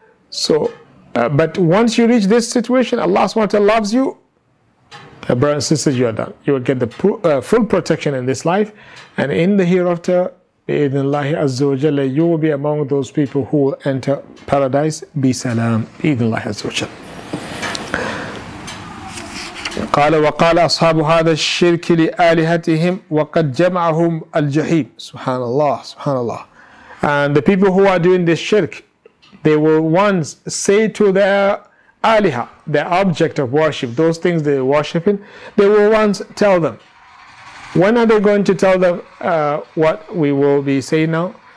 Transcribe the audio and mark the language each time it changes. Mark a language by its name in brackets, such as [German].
[English] So, but once you reach this situation, Allah subhanahu wa ta'ala loves you. Brothers and sisters, you are done. You will get the full protection in this life, and in the hereafter, bi-idhnillahi azza wa jalla, you will be among those people who will enter paradise. [Arabic] Bi salam, bi-idhnillahi azza wa jalla. قال وقال أصحاب هذا الشرك لآلهتهم وقد جمعهم الجحيم. Subhanallah, subhanallah. [English] And the people who are doing this shirk, they will once say to their aliha, their object of worship, those things they're worshipping, they will once tell them. When are they going to tell them what we will be saying now?